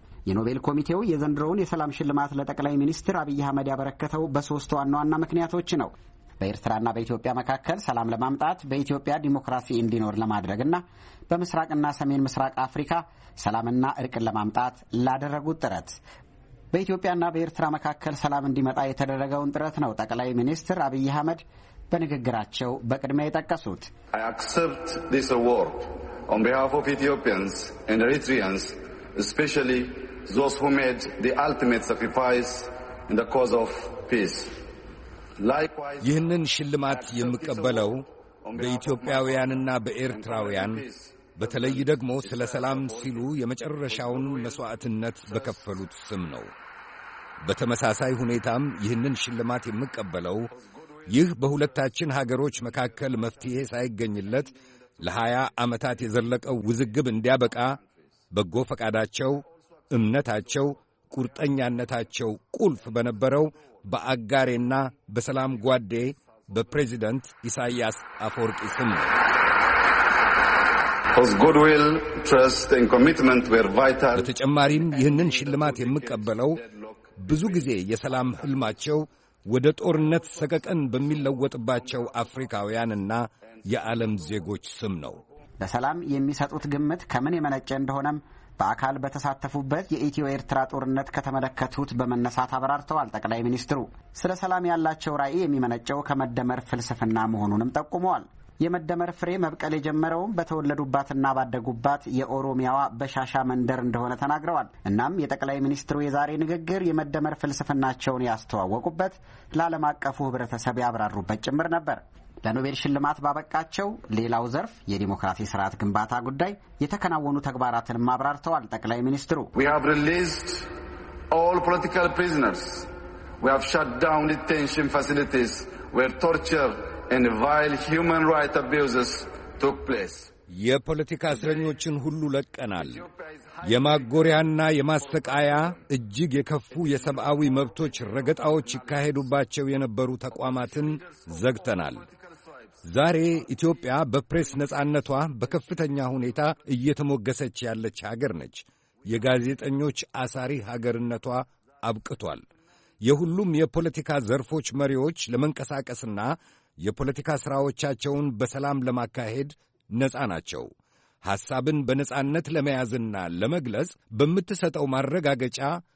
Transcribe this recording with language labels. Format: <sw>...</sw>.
<am>የኖቤል ኮሚቴው የዘንድሮውን የሰላም ሽልማት ለጠቅላይ ሚኒስትር አብይ አህመድ ያበረከተው በሶስት ዋና ዋና ምክንያቶች ነው። በኤርትራና በኢትዮጵያ መካከል ሰላም ለማምጣት፣ በኢትዮጵያ ዲሞክራሲ እንዲኖር ለማድረግና በመስራቅና ሰሜን ምስራቅ አፍሪካ ሰላምና እርቅን ለማምጣት ላደረጉት ጥረት። በኢትዮጵያና በኤርትራ መካከል ሰላም እንዲመጣ የተደረገውን ጥረት ነው ጠቅላይ ሚኒስትር አብይ አህመድ በንግግራቸው በቅድሚያ የጠቀሱት።</am> <en>I accept this award on behalf of Ethiopians and Eritreans, especially those who made the ultimate sacrifice in the cause of peace.</en> <am>ይህንን ሽልማት የምቀበለው በኢትዮጵያውያንና በኤርትራውያን በተለይ ደግሞ ስለ ሰላም ሲሉ የመጨረሻውን መሥዋዕትነት በከፈሉት ስም ነው። በተመሳሳይ ሁኔታም ይህንን ሽልማት የምቀበለው ይህ በሁለታችን ሀገሮች መካከል መፍትሄ ሳይገኝለት ለሀያ ዓመታት የዘለቀው ውዝግብ እንዲያበቃ በጎ ፈቃዳቸው፣ እምነታቸው፣ ቁርጠኛነታቸው ቁልፍ በነበረው በአጋሬና በሰላም ጓዴ በፕሬዚደንት ኢሳያስ አፈወርቂ ስም ነው።</am> <en>His goodwill, trust and commitment were vital.</en> <am>በተጨማሪም ይህንን ሽልማት የምቀበለው ብዙ ጊዜ የሰላም ህልማቸው ወደ ጦርነት ሰቀቀን በሚለወጥባቸው አፍሪካውያንና የዓለም ዜጎች ስም ነው። ለሰላም የሚሰጡት ግምት ከምን የመነጨ እንደሆነም በአካል በተሳተፉበት የኢትዮ ኤርትራ ጦርነት ከተመለከቱት በመነሳት አብራርተዋል ጠቅላይ ሚኒስትሩ። ስለ ሰላም ያላቸው ራእይ የሚመነጨው ከመደመር ፍልስፍና መሆኑንም ጠቁመዋል። የመደመር ፍሬ መብቀል የጀመረው በተወለዱባትና ባደጉባት የኦሮሚያዋ በሻሻ መንደር እንደሆነ ተናግረዋል። እናም የጠቅላይ ሚኒስትሩ የዛሬ ንግግር የመደመር ፍልስፍናቸውን ያስተዋወቁበት ለዓለም አቀፉ ህብረተሰብ ያብራሩበት ጭምር ነበር። ለኖቤል ሽልማት ባበቃቸው ሌላው ዘርፍ የዲሞክራሲ ስርዓት ግንባታ ጉዳይ የተከናወኑ ተግባራትን ማብራርተዋል ጠቅላይ ሚኒስትሩ።</am> <en>We have released all political prisoners. We have shut down detention facilities where torture and vile human rights abuses took place.</en> <am>የፖለቲካ እስረኞችን ሁሉ ለቀናል። የማጎሪያና የማስተቃያ እጅግ የከፉ የሰብአዊ መብቶች ረገጣዎች ይካሄዱባቸው የነበሩ ተቋማትን ዘግተናል። ዛሬ ኢትዮጵያ በፕሬስ ነጻነቷ በከፍተኛ ሁኔታ እየተሞገሰች ያለች ሀገር ነች። የጋዜጠኞች አሳሪ ሀገርነቷ አብቅቷል። የሁሉም የፖለቲካ ዘርፎች መሪዎች ለመንቀሳቀስና የፖለቲካ ሥራዎቻቸውን በሰላም ለማካሄድ ነጻ ናቸው። ሐሳብን በነጻነት ለመያዝና ለመግለጽ በምትሰጠው ማረጋጋጫ</am>